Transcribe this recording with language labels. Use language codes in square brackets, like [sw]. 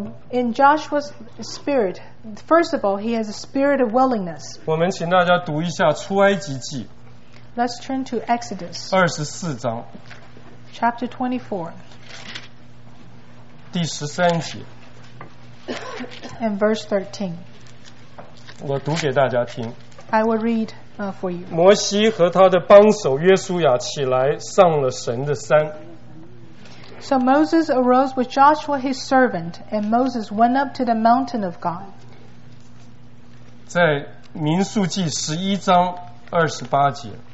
[en] In Joshua's spirit, first of all, he has a spirit of willingness. [zh] 我们请大家读一下出埃及记。 [en] Let's turn to Exodus. [zh] 二十四章。 [en] Chapter 24. [zh] 第十三节。 [en] And verse 13. [zh] 我读给大家听。 [en] I will read for you. [zh] 摩西和他的帮手约书亚起来上了神的山。 [en] So Moses arose with Joshua his servant, and Moses went up to the mountain of God. [zh] 在民数记十一章二十八节。